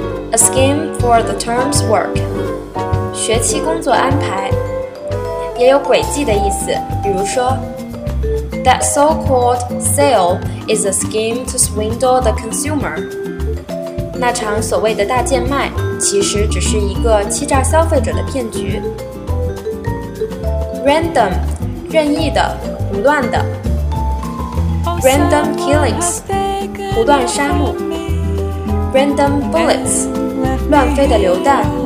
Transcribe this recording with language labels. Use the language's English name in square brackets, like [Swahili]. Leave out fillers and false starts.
[English] A scheme for the term's work. [Chinese] 学期工作安排。也有诡计的意思，比如说 [English] That so-called sale is a scheme to swindle the consumer. [Chinese] 那场所谓的大贱卖其实只是一个欺诈消费者的骗局。 Random, 任意的，胡乱的。 Random killings, 胡乱杀戮。 Random bullets, 乱飞的榴弹。